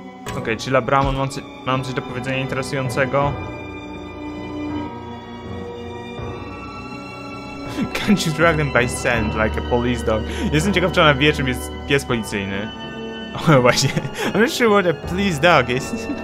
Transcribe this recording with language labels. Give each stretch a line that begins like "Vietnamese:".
Polish: Okej, okay, czy Labramon mam coś do powiedzenia interesującego?
English: Can't you drag them by scent like a police dog?
Polish: Jestem ciekaw, czy ona wie, czym jest pies policyjny. O, właśnie.
English: I'm not sure what a police dog is.